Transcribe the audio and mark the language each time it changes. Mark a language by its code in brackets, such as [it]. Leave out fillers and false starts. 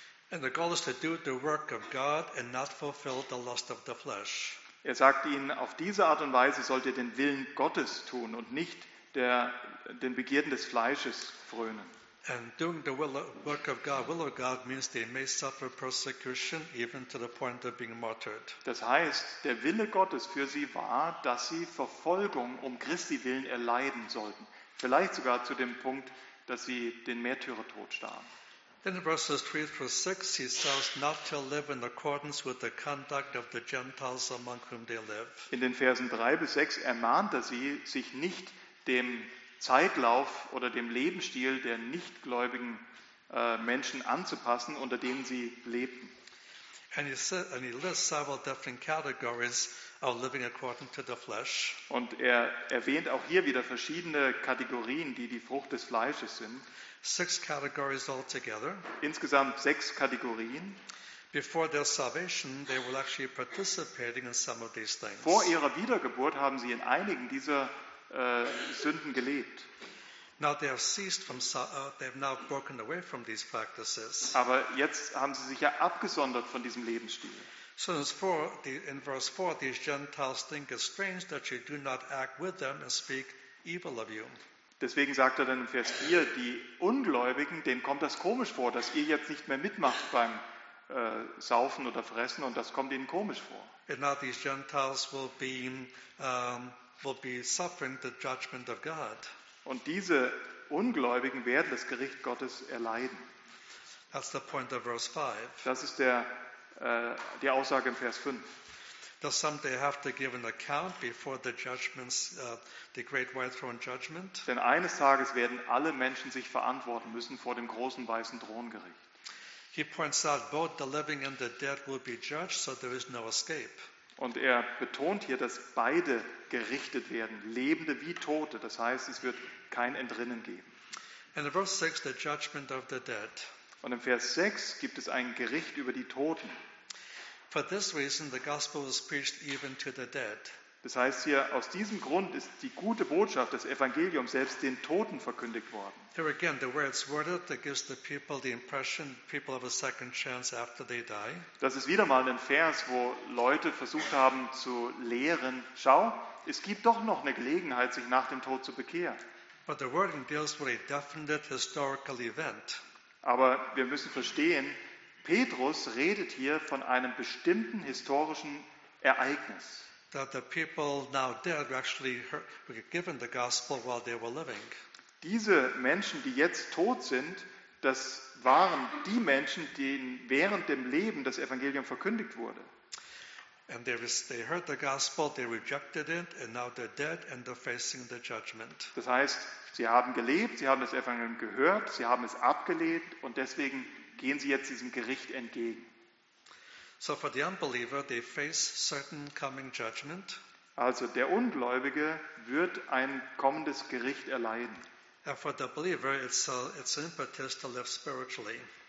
[en] And the goal is to do the work of God and not fulfill the lust of the flesh. [de] Er sagt ihnen, auf diese Art und Weise sollt ihr den Willen Gottes tun und nicht den Begierden des Fleisches frönen. [en] And doing the will of God means they may suffer persecution even to the point of being martyred. [de] Das heißt, der Wille Gottes für sie war, dass sie Verfolgung um Christi willen erleiden sollten. Vielleicht sogar zu dem Punkt, dass sie den Märtyrertod starben. [en] Then in verses 3 through 6 he says not to live in accordance with the conduct of the Gentiles among whom they live. [de] In den Versen 3 bis 6 ermahnt er sie, sich nicht dem Zeitlauf oder dem Lebensstil der nichtgläubigen Menschen anzupassen, unter denen sie lebten. [en] And he lists several different categories of living according to the flesh. [de] Und er erwähnt auch hier wieder verschiedene Kategorien, die die Frucht des Fleisches sind. [en] 6 categories altogether. [de] Insgesamt 6 Kategorien. [en] Before their salvation, they were actually participating in some of these things. [de] Vor ihrer Wiedergeburt haben sie in einigen dieser Sünden gelebt. [en] Now they have ceased from, they have now broken away from these practices. [de] Aber jetzt haben sie sich ja abgesondert von diesem Lebensstil. [en] So in verse 4, these Gentiles think it strange that you do not act with them and speak evil of you. [de] Deswegen sagt er dann in Vers 4, die Ungläubigen, denen kommt das komisch vor, dass ihr jetzt nicht mehr mitmacht beim Saufen oder Fressen, und das kommt ihnen komisch vor. [en] And now these Gentiles will be suffering the judgment of God. [de] Und diese Ungläubigen werden das Gericht Gottes erleiden. [en] That's the point of verse 5. [de] Das ist die Aussage im Vers 5. [en] Does someday have to give an account before the judgments, the great white throne judgment? [de] Denn eines Tages werden alle Menschen sich verantworten müssen vor dem großen weißen Throngericht. [en] He points out both the living and the dead will be judged, so there is no escape. [de] Und er betont hier, dass beide gerichtet werden, Lebende wie Tote. Das heißt, es wird kein Entrinnen geben. [en] And in verse 6, the judgment of the dead. [de] Und im Vers 6 gibt es ein Gericht über die Toten. [en] For this reason, the gospel is preached even to the dead. [de] Das heißt hier, aus diesem Grund ist die gute Botschaft des Evangeliums selbst den Toten verkündigt worden. [en] Here again, the way it's worded, it gives the people the impression people have a second chance after they die. [de] Das ist wieder mal ein Vers, wo Leute versucht haben zu lehren, schau, es gibt doch noch eine Gelegenheit, sich nach dem Tod zu bekehren. [en] But the wording deals with a definite historical event. [de] Aber wir müssen verstehen, Petrus redet hier von einem bestimmten historischen Ereignis. [en] That the people now dead were actually given the gospel while they were living. [de] Diese Menschen, die jetzt tot sind, das waren die Menschen, denen während dem Leben das Evangelium verkündigt wurde. [en] And they heard the gospel, they rejected it, and now they're dead and they're facing the judgment. [de] Das heißt, sie haben gelebt, sie haben das Evangelium gehört, sie haben es abgelehnt, und deswegen gehen sie jetzt diesem Gericht entgegen. [en] So for the unbeliever, they face certain coming judgment. [de] Also der Ungläubige wird ein kommendes Gericht erleiden. [en] And for the believer, it's an impetus to live spiritually.